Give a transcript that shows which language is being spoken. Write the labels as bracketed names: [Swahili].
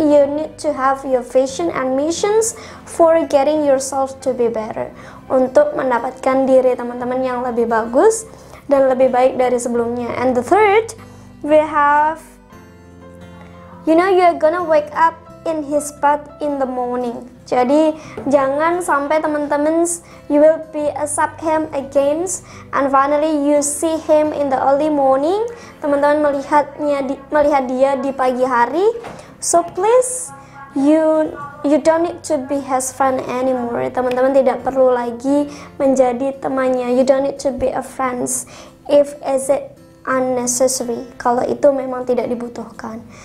[English] You need to have your vision and missions for getting yourself to be better. [Indonesian] Untuk mendapatkan diri teman-teman yang lebih bagus dan lebih baik dari sebelumnya. [English] And the third, we have, you know, you're gonna wake up in his bed in the morning. [Indonesian] Jadi jangan sampai teman-teman [English] you will be accept him again and finally you see him in the early morning. [Indonesian] Teman-teman melihat dia di pagi hari. [English] So please you don't need to be his friend anymore. [Indonesian] Teman-teman tidak perlu lagi menjadi temannya. [English] You don't need to be a friend if is it unnecessary. [Indonesian] Kalau itu memang tidak dibutuhkan.